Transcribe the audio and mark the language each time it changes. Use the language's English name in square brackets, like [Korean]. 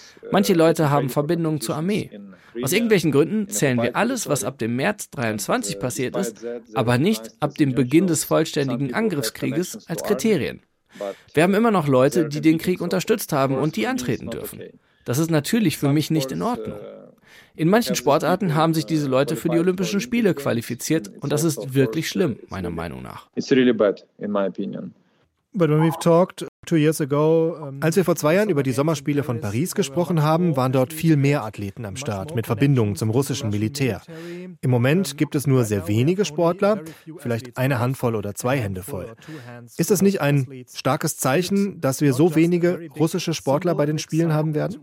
[German] Manche Leute haben Verbindungen zur Armee. Aus irgendwelchen Gründen zählen wir alles, was ab dem März 2023 passiert ist, aber nicht ab dem Beginn des vollständigen Angriffskrieges als Kriterien. Wir haben immer noch Leute, die den Krieg unterstützt haben und die antreten dürfen. Das ist natürlich für mich nicht in Ordnung. In manchen Sportarten haben sich diese Leute für die Olympischen Spiele qualifiziert und das ist wirklich schlimm, meiner Meinung nach. [English] It's really bad, in my opinion. But when we've talked 2 years ago, [German] als wir vor 2 Jahren über die Sommerspiele von Paris gesprochen haben, waren dort viel mehr Athleten am Start mit Verbindungen zum russischen Militär. Im Moment gibt es nur sehr wenige Sportler, vielleicht eine Handvoll oder 2 Hände voll. Ist es nicht ein starkes Zeichen, dass wir so wenige russische Sportler bei den Spielen haben werden?